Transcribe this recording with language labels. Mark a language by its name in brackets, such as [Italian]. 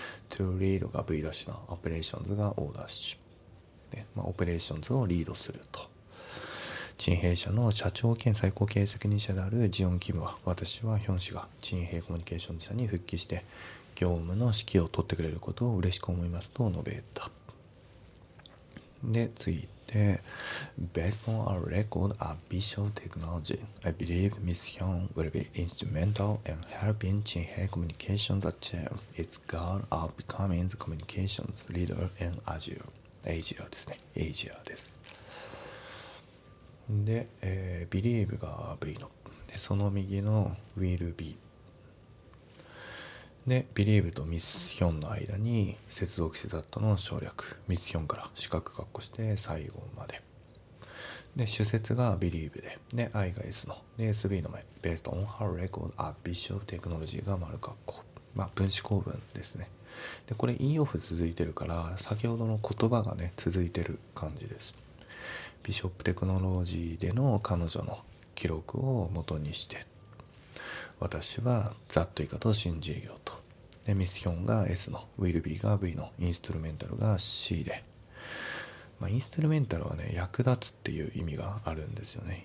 [Japanese] トゥーリードが V ダッシュのオペレーションズが O ダッシュで、まあ、オペレーションズをリードすると。チンヘイ社の社長兼最高経営責任者であるジオン・キムは、私はヒョン氏がチンヘイコミュニケーションズ社に復帰して業務の指揮を取ってくれることを嬉しく思いますと述べた。で、次いって [English] Based on our record at Bishop Technology, I believe Ms. Heon will be instrumental in helping Jinhae Communications achieve its goal of becoming the communications leader in Asia. [Japanese] Asia ですね。Asia です。で、Believe が V の。で、その右の Will be。で、Believe とミスヒョンの間に接続詞ザットの省略、ミスヒョンから四角括弧して最後まで。で、主節が Believe で、で、I が S の、で、SB の前、 [English] Based on her record at Bishop Technology [Japanese] が丸括弧。まあ、分子構文ですね。で、これ、インオフ続いてるから、先ほどの言葉がね、続いてる感じです。 Bishop Technology での彼女の記録を元にして、私はざっと以下と信じるよと。で、ミスヒョンが S の、ウィルビーが V の、インストゥルメンタルが C で、まあ、インストゥルメンタルはね、役立つっていう意味があるんですよね。